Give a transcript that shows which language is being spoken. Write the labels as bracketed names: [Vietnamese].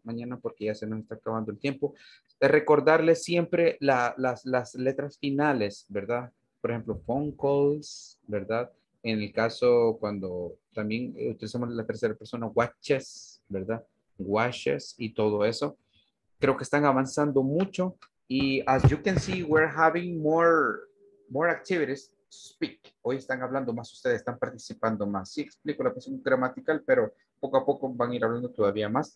[Spanish] Mañana porque ya se nos está acabando el tiempo. Recordarles siempre las letras finales, ¿verdad? Por ejemplo, [English] phone calls, [Spanish] ¿verdad? En el caso cuando también utilizamos la tercera persona, watches, ¿verdad? Watches y todo eso. Creo que están avanzando mucho. [English] Y as you can see, we're having more activities to speak. [Spanish] Hoy están hablando más ustedes, están participando más. Sí, explico la cuestión gramatical, pero poco a poco van a ir hablando todavía más.